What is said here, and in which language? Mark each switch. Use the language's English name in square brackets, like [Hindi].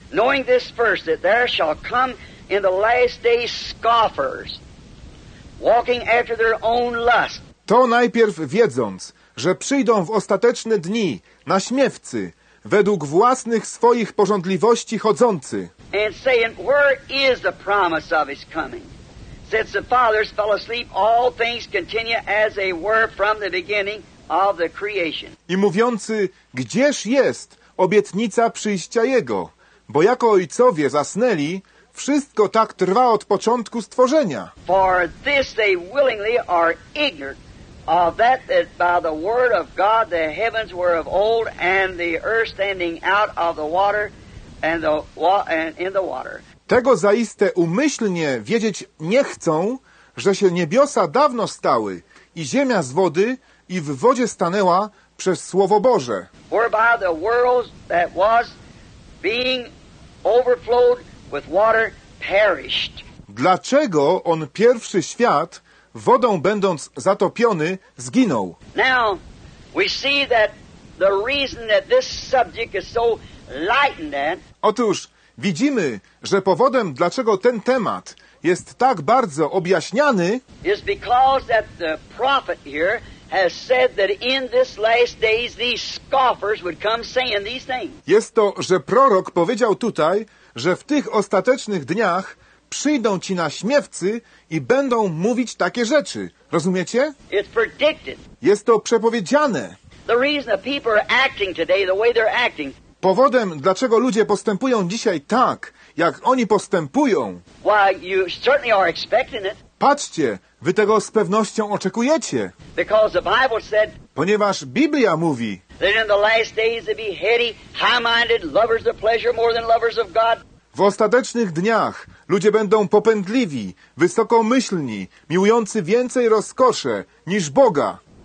[English] Knowing this first, that there shall come in the last days scoffers, walking after their own lust. [Polish] To najpierw wiedząc, że przyjdą w ostateczne dni naśmiewcy, według własnych swoich pożądliwości chodzący. [English] And saying, where is the promise of his coming? Since the fathers fell asleep, all things continue as they were from the beginning of the creation. [Polish] I mówiący, gdzież jest obietnica przyjścia Jego? Bo jako ojcowie zasnęli, wszystko tak trwa od początku stworzenia. [English] For this they willingly are ignorant. Of that that by the word of God the heavens were of old and the earth standing out of the water and the and in the water. [Polish] Tego zaiste umyślnie wiedzieć nie chcą, że się niebiosa dawno stały i ziemia z wody i w wodzie stanęła przez słowo Boże. [English] Whereby the world that was being overflowed with water perished. [Polish] Dlaczego on pierwszy świat wodą będąc zatopiony, zginął. [English] Now, we see that the reason that this subject is so lightened at. [Polish] Otóż widzimy, że powodem, dlaczego ten temat jest tak bardzo objaśniany, [English] is because that the prophet here has said that in this last days these scoffers would come saying these things. [Polish] Jest to, że prorok powiedział tutaj, że w tych ostatecznych dniach przyjdą ci naśmiewcy i będą mówić takie rzeczy. Rozumiecie? [English] It's predicted. [Polish] Jest to przepowiedziane. [English] The reason the people are acting today the way they're acting. [Polish] Powodem, dlaczego ludzie postępują dzisiaj tak, jak oni postępują. [English] Why you certainly are expecting it. [Polish] Patrzcie, wy tego z pewnością oczekujecie. [English] Because the Bible said. [Polish] Ponieważ Biblia mówi. [English] That in the last days they'd be heady, high-minded, lovers of pleasure more than lovers of God. [Polish] W ostatecznych dniach ludzie będą popędliwi, wysokomyślni, miłujący więcej rozkosze niż Boga.